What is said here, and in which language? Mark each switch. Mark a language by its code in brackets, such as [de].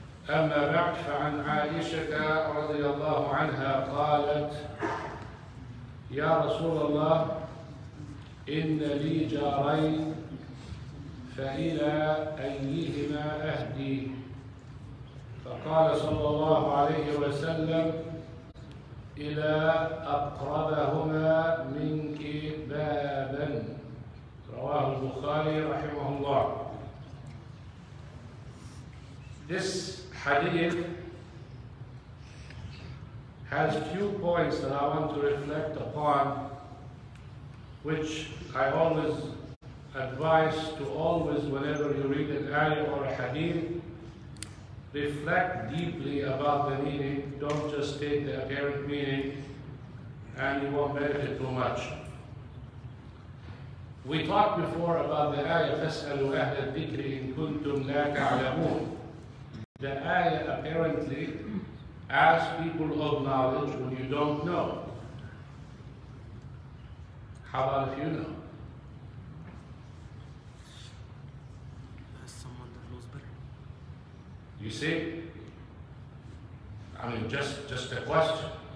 [ar] أما بعد فعن عائشة رضي الله عنها قالت يا رسول الله إن لي جارين فإلى أيهما أهدي فقال صلى الله عليه وسلم إلى أقربهما منك بابا رواه البخاري رحمه الله. [en] This hadith has few points that I want to reflect upon, which I always advise to always, whenever you read an ayah or a hadith, reflect deeply about the meaning. Don't just state the apparent meaning and you won't benefit too much. We talked before about the ayah, [ar] فَاسْأَلُوا أَهْلَ الذِّكْرِ إِن كُنْتُمْ لَا تَعْلَمُونَ. [en] The ayah apparently asks people of knowledge when you don't know. How about if you know? Ask someone that knows better. You see? I mean, just a question.